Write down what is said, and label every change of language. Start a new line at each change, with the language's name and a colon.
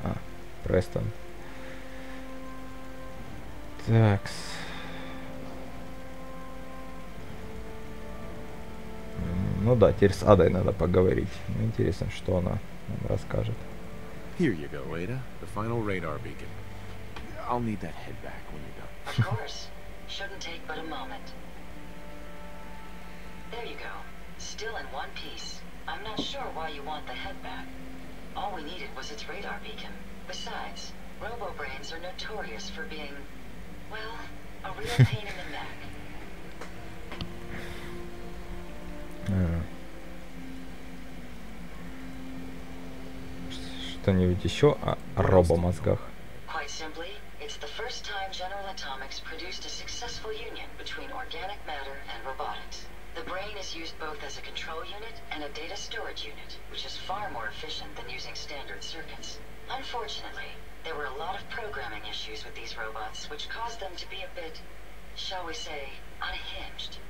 Russian: А, Престон. Так, ну да, теперь с Адой надо поговорить. Ну, интересно, что она нам расскажет.
English: Here you go, Ada. The final radar beacon. I'll need that head back when you're done. Of course. Shouldn't take but a moment. There you go. Still in one piece. I'm not sure why you want the head back. All we needed was its radar beacon. Besides, robo-brains are notorious for being, well, a real pain in the neck.
Russian: Что-нибудь еще о робомозгах?
English: Quite simply, it's the first time General Atomics produced a successful union between organic matter and robotics. The brain is used both as a control unit and a data storage unit, which is far more efficient than using standard circuits. Unfortunately, there were a lot of programming issues with these robots, which caused them to be a bit, shall we say, unhinged.